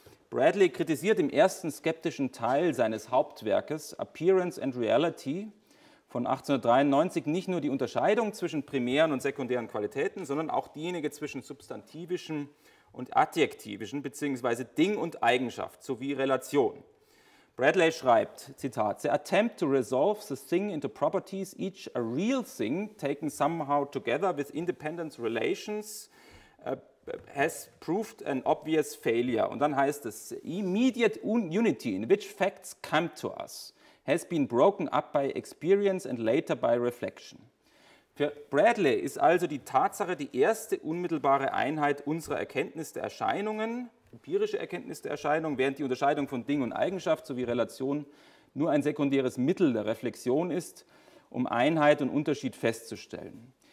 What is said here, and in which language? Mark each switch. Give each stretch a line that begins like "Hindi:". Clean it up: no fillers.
German: Bradley kritisiert im ersten skeptischen Teil seines Hauptwerkes Appearance and Reality von 1893 nicht nur die Unterscheidung zwischen primären und sekundären Qualitäten, sondern auch diejenige zwischen substantivischen und adjektivischen bzw. Ding und Eigenschaft sowie Relation. Bradley schreibt, Zitat,
English: "The attempt to resolve the thing into properties, each a real thing, taken somehow together with independent relations, has proved an obvious failure."
German: Und dann heißt es,
English: "immediate unity in which facts come to us has been broken up by experience and later by reflection."
German: Für Bradley ist also die Tatsache die erste unmittelbare Einheit unserer Erkenntnis der Erscheinungen, empirische Erkenntnis der Erscheinung, während die Unterscheidung von Ding und Eigenschaft sowie Relation nur ein sekundäres Mittel der Reflexion ist, um Einheit und Unterschied festzustellen.